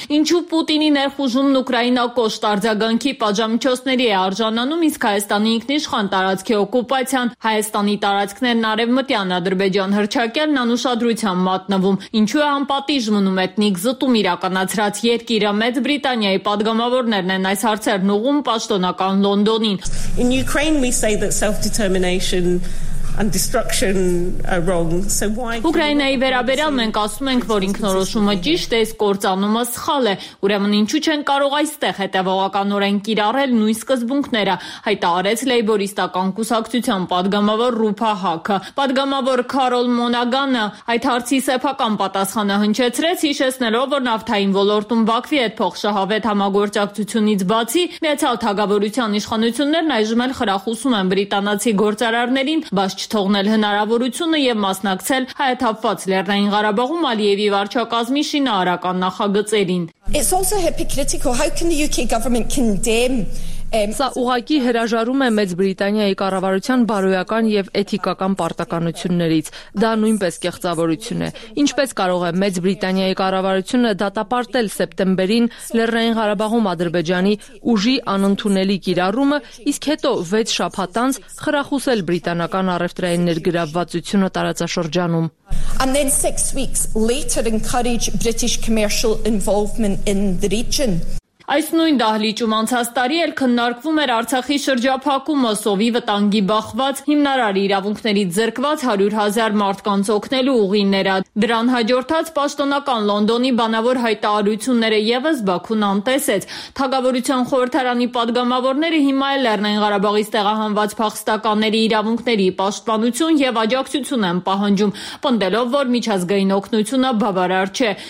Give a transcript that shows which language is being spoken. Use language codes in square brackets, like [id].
[hy] ինչու Պուտինի ներխուժումն Ուկրաինա կոշտ արձագանքի պատժամիջոցների է արժանանում, իսկ Հայաստանի ինքնիշխան տարածքի օկուպացիան, Հայաստանի տարածքներն Արևմտյան Ադրբեջան հռչակելն անուշադրության մատնվում, ինչու է անպատիժ մնում էթնիկ զտում իրականացրած երկիրը, Մեծ Բրիտանիայի պատգամավորներն են այս հարցերն ուղում պաշտոնական Լոնդոնին։ [en] In Ukraine we say that self-determination and destruction are wrong. So why [hy] Ուկրաինայի վերաբերյալ մենք ասում ենք, որ ինքնորոշումը ճիշտ է, կործանումը սխալ է։ Ուրեմն ինչու չեն կարող այստեղ հետևողականորեն կիրառել նույն սկզբունքները, հայտարարեց լեյբորիստական կուսակցության պատգամավոր Ռուփա Հաքը։ Պատգամավոր Քարոլ Մոնագանը այդ հարցի սեփական պատասխանը հնչեցրեց, հիշեցնելով, որ նավթային ոլորտում Բաքվի հետ փոխշահավետ համագործակցությունից բացի Միացյալ Թագավորության իշխանություններն այժմ էլ խրախուսում են բրիտանացի գործարարներին չթողնել հնարավորությունը եւ մասնակցել հայաթափված Լեռնային Ղարաբաղում Ալիևի վարչակազմի շինարարական նախագծերին։ [en] It's also hypocritical. How can the UK government condemn [hy] Սա ուղղակի հրաժարում է Մեծ Բրիտանիայի կառավարության բարոյական եւ էթիկական պարտականություններից։ Դա նույնպես կեղծավորություն է։ Ինչպես կարող է Մեծ Բրիտանիայի կառավարությունը դատապարտել սեպտեմբերին Լեռնային Ղարաբաղում Ադրբեջանի ուժի անընդունելի կիրառումը, իսկ հետո 6 շաբաթ անց խրախուսել բրիտանական առևտրային ներգրավվածությունը տարածաշրջանում։ [en] And then 6 weeks later encourage British commercial involvement in the region. [hy] Այս նույն դահլիճում անցած տարի էլ քննարկվում էր Արցախի շրջափակումը, սովի վտանգի բախված, հիմնարարի իրավունքներից զրկված 100 հազար մարդկանց օգնելու ուղիները։ Դրան հաջորդած պաշտոնական Լոնդոնի բանավոր հայտարարությունները եւս Բաքուն անտեսեց։ Թագավորության խորհրդարանի պատգամավորները հիմա էլ Լեռնային Ղարաբաղի տեղահանված փախստականների իրավունքների պաշտպանություն եւ աջակցություն են պահանջում, պնդելով, որ միջազգային օգնությունը բավարար չէ։